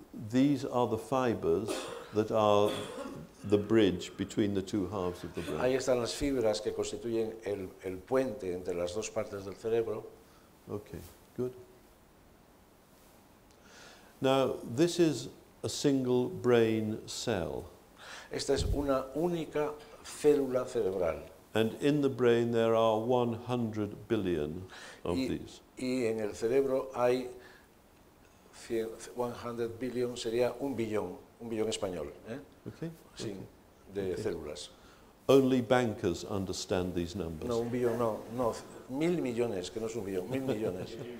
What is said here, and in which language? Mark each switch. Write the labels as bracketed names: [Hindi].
[English] These are the fibers that are the bridge between the two halves of the brain. [Spanish] Ahí están las fibras que constituyen el puente entre las dos partes del cerebro. [English] Okay, good. Now, this is a single brain cell. [Spanish] Esta es una única célula cerebral. [English] And in the brain there are 100 billion of these. [Spanish] Y en el cerebro hay 100 billion, sería un billón español. Okay. Sí, okay. De okay. Células. [English] Only bankers understand these numbers. [Spanish] No, un billón, no. Mil millones, que no es un billón, mil millones.